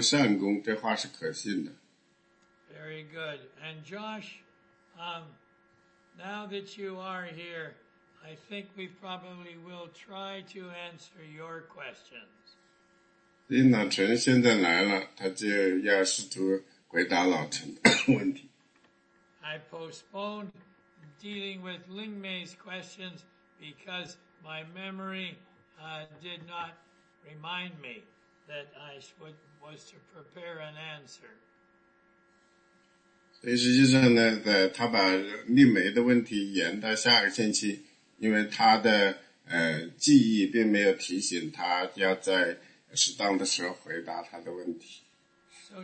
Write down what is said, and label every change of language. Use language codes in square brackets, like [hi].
[zh] 以及说，人若想得到监督的职分，就是羡慕善工，这话是可信的。 [en] Very good. And Josh, now that you are here, I think we probably will try to answer your questions. [zh] 所以老陈现在来了，他就要试图回答老陈的问题。 [en] I postponed dealing with Ling Mei's questions because my memory did not remind me that I was to prepare an answer. [zh] 所以实际上呢，他把令美的问题延到下个星期，因为他的记忆并没有提醒他要在适当的时候回答他的问题。 [en] So